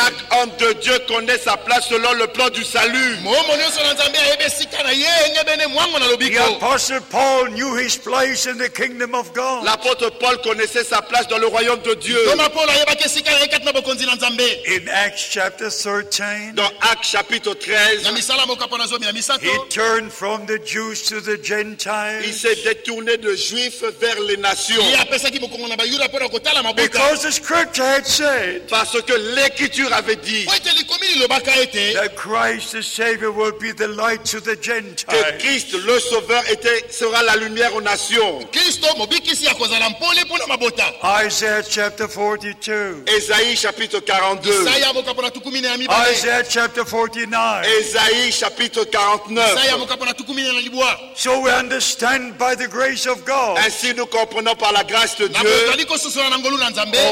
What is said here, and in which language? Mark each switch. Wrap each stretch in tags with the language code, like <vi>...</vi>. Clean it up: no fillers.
<fr>Chaque homme de Dieu connaît sa place selon le plan du salut.</fr> <en>The apostle Paul knew his place in the kingdom of God.</en> <fr>L'apôtre Paul connaissait sa place dans le royaume de Dieu.</fr> <en>In Acts chapter 13.</en> <fr>Dans Actes chapitre 13.</fr> <en>He turned from the Jews to the Gentiles.</en> <fr>Il s'est détourné de Juifs vers les nations.</fr> <en>Because the scripture had said,</en> <fr>parce que l'écriture avait dit,</fr> <en>that Christ the Savior will be the light to the Gentiles.</en> <fr>Que Christ le Sauveur était, sera la lumière aux nations.</fr> <ln>Christo, mobikisi ya kozala mpole pour na mabota.</ln> <en>Isaiah chapter 42. Isaiah chapter 42. Isaiah chapter 49. Isaiah chapter 49. So we understand by the grace of God.</en> <fr>Ainsi nous comprenons par la grâce de Dieu.</fr>